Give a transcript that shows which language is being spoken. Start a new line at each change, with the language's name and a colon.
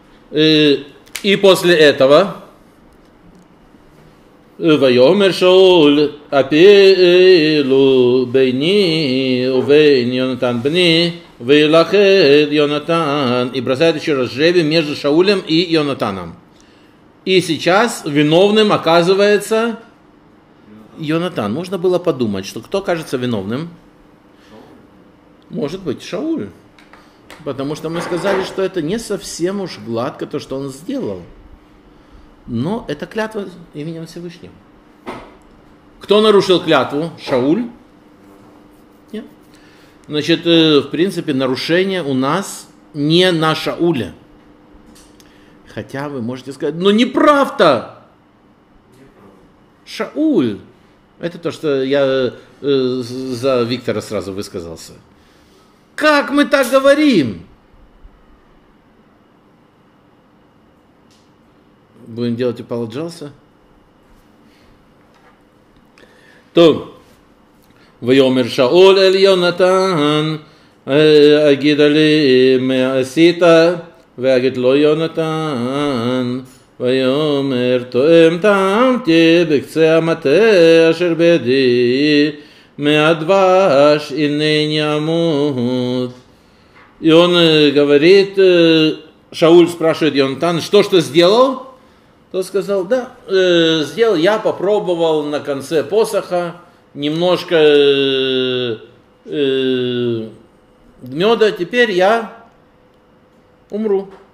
Russian: И после этого
Hebrew: ויאמר שאול אפילו ביני ובין יונתן בני וילחד יונתן.
Russian: И бросает еще раз жребий между Шаулем и Йонатаном. И сейчас виновным оказывается Йонатан. Можно было подумать, что кто кажется виновным? Может быть, Шауль. Потому что мы сказали, что это не совсем уж гладко то, что он сделал. Но это клятва именем Всевышнего. Кто нарушил клятву? Шауль? Нет. Значит, в принципе, нарушение у нас не на Шауле. Хотя вы можете сказать, но неправда! Шауль. Это то, что я за Виктора сразу высказался. Как мы так говорим? Будем делать apologize?
Hebrew: ויאמר שאול אל יונתן, אגיד לי מה עשית, ואגיד לו יונתן, ויאמר תואם טעמתי בקצה המטה אשר בידי מהדבש אינני אמות.
Russian: И он говорит, Шауль спрашивает Йонатан, что ж ты сделал? Тот сказал, да, сделал, я попробовал на конце посоха немножко меда, теперь я умру.